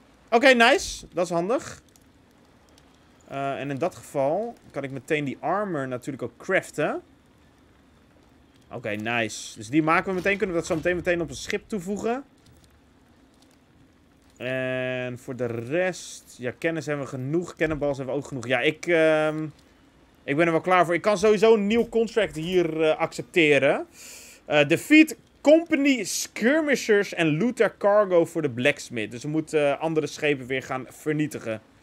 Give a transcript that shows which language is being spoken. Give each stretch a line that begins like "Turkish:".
Dutch: Oké, nice. Dat is handig. En in dat geval kan ik meteen die armor natuurlijk ook craften. Oké, nice. Dus die maken we meteen. Kunnen we dat zo meteen op een schip toevoegen. En voor de rest... Ja, kennis hebben we genoeg. Cannonballs hebben we ook genoeg. Ja, ik ben er wel klaar voor. Ik kan sowieso een nieuw contract hier accepteren.
English: Defeat company skirmishers and loot their cargo for the blacksmith.
Dutch: Dus we moeten andere schepen weer gaan vernietigen.